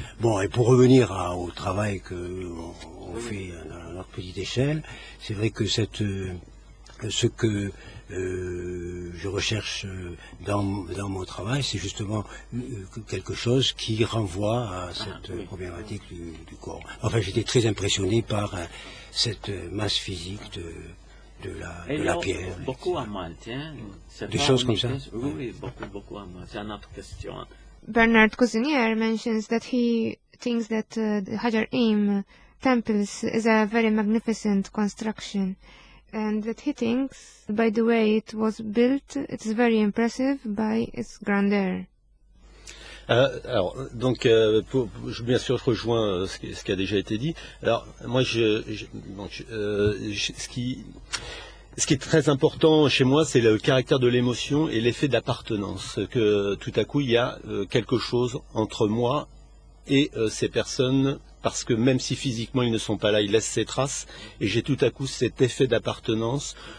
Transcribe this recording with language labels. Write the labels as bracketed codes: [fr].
[fr] Bon, et pour revenir au travail qu'on fait à notre petite échelle, c'est vrai que je recherche dans mon travail, c'est justement quelque chose qui renvoie à cette problématique du corps. Enfin, j'étais très impressionné par cette masse physique de la pierre. Beaucoup à Malte, hein? Des choses comme ça? Oui, beaucoup à Malte. C'est une autre question. [en] Bernard Cousinier mentions that he thinks that the Hajar Aym temples is a very magnificent construction. And that he thinks, by the way it was built, it's very impressive by its grandeur. [fr] Bien sûr, je rejoins ce qui a déjà été dit. Alors, moi, ce qui est très important chez moi, c'est le caractère de l'émotion et l'effet d'appartenance. Que tout à coup, il y a quelque chose entre moi et ces personnes, parce que même si physiquement ils ne sont pas là, ils laissent ces traces, et j'ai tout à coup cet effet d'appartenance.